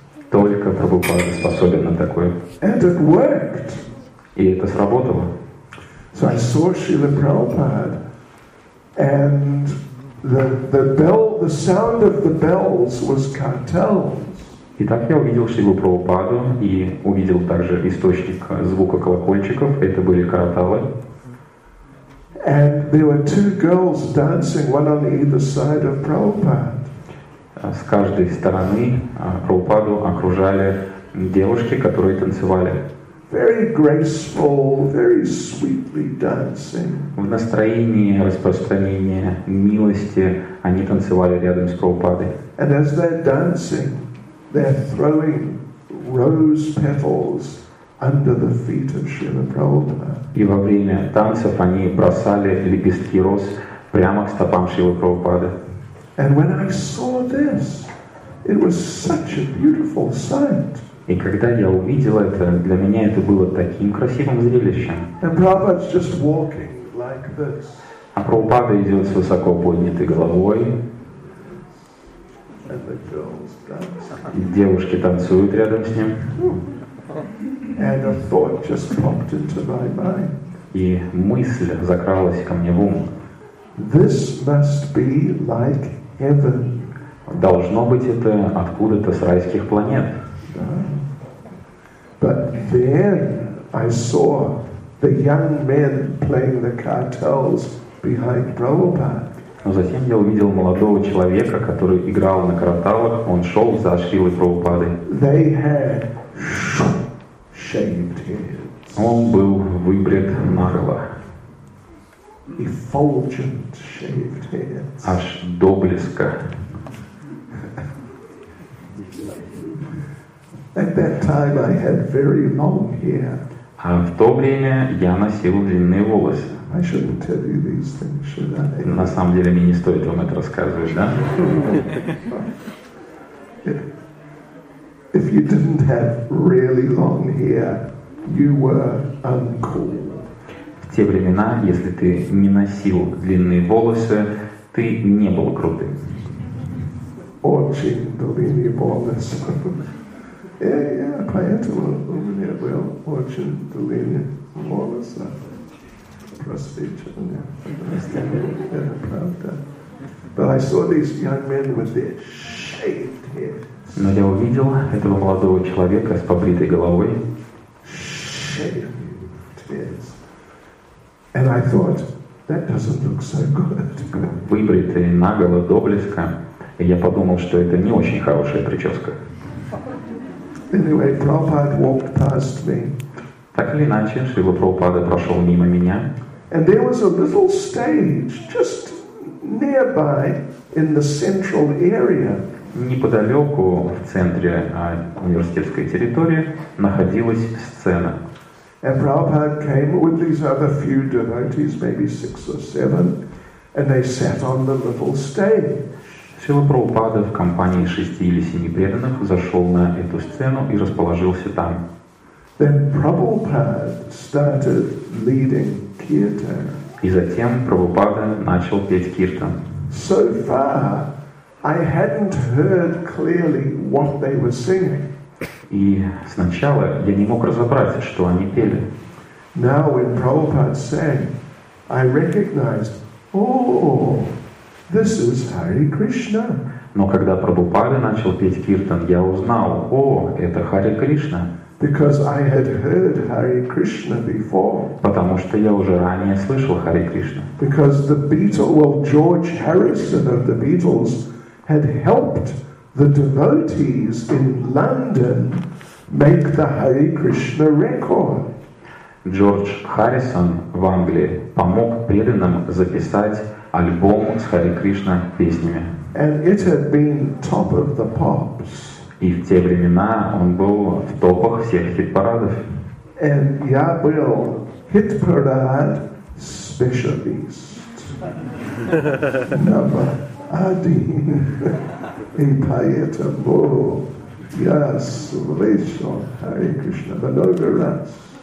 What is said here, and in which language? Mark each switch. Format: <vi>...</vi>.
<ru>Только Прабхупада способен на такое.</ru> <en>And it worked.</en> <ru>И это сработало.</ru> <en>So I saw Srila Prabhupada and the bell, the sound of the bells was cartels.</en> <ru>Итак, я увидел Шрилу Прабхупаду и увидел также источник звука колокольчиков. Это были карталы.</ru> <en>And there were two girls dancing, one on either side of Prabhupada.</en> <ru>С каждой стороны Прабхупаду окружали девушки, которые танцевали.</ru> <en>Very graceful, very sweetly dancing.</en> <ru>В настроении распространения милости они танцевали рядом с Прабхупадой.</ru> <en>And as they're dancing, they're throwing rose petals under the feet of Srila Prabhupada.</en> <ru>И во время танцев они бросали лепестки роз прямо к стопам Шрилы Прабхупады.</ru> <en>And when I saw this, it was such a beautiful sight.</en> <ru>И когда я увидел это, для меня это было таким красивым зрелищем.</ru> <en>And Prabhupada's just walking like this.</en> <ru>А Прабхупада идет с высоко поднятой головой.</ru> <en>And the girls dance.</en> <ru>И девушки танцуют рядом с ним.</ru> <en>And a thought just popped into my mind.</en> <ru>И мысль закралась ко мне в ум.</ru> <en>This must be like heaven.</en> <ru>Должно быть это откуда-то с райских планет.</ru> <en>But then I saw the young men playing the cartels behind Prabhupada.</en> <ru>Затем я увидел молодого человека, который играл на карталах. Он шел за Шрилой Прабхупадой.</ru> <en>They had shaved heads.</en> <ru>Он был выбрит наголо.</ru> <en>Effulgent shaved heads.</en> <ru>Аж до блеска.</ru> <en>At that time I had very long hair.</en> <ru>А в то время я носил длинные волосы.</ru> <en>I shouldn't tell you these things, should I?</en> <ru>На самом деле мне не стоит вам это рассказывать, да?</ru> <en>If you didn't have really long hair, you were uncool.</en> <ru>В те времена, если ты не носил длинные волосы, ты не был крутым. Очень длинные волосы. Yeah, поэтому у меня был очень длинные волосы. Простите меня. Это правда.</ru> <en>But I saw these young men with their shaved heads.</en> <ru>Но я увидел этого молодого человека с побритой головой.</ru> <en>Shaved heads. And I thought, that doesn't look so good.</en> <ru>Выбритый наголо до блеска, я подумал, что это не очень хорошая прическа.</ru> <en>Anyway, Prabhupada walked past me.</en> <ru>Так или иначе, Шрила Прабхупада прошел мимо меня.</ru> <en>And there was a little stage just nearby in the central area.</en> <ru>Неподалеку в центре университетской территории находилась сцена.</ru> <en>And Prabhupada came with these other few devotees, maybe six or seven, and they sat on the little stage.</en> <ru>Шрила Прабхупада в компании шести или семи преданных зашел на эту сцену и расположился там.</ru> <en>Then Prabhupada started leading kirtan.</en> <ru>И затем Прабхупада начал петь киртан.</ru> <en>So far, I hadn't heard clearly what they were singing.</en> <ru>И сначала я не мог разобрать, что они пели.</ru> <en>Now when Prabhupada sang, I recognized, oh, this is Hare Krishna.</en> <ru>Но когда Прабхупада начал петь киртан, я узнал, о, это Харе Кришна.</ru> <en>Because I had heard Hare Krishna before.</en> <ru>Потому что я уже ранее слышал Харе Кришна.</ru> <en>Because the Beatle, well, George Harrison of the Beatles had helped the devotees in London make the Hare Krishna record.</en> <ru>George Harrison в Англии помог преданным записать альбом с Харе Кришна песнями.</ru> <en>And it had been top of the pops.</en> <ru>И в те времена он был в топах всех хит-парадов. And я был хит-парад специалист.</ru> <en>Number один.</en> <ru>И поэтому я слышал Харе Кришна много раз.</ru>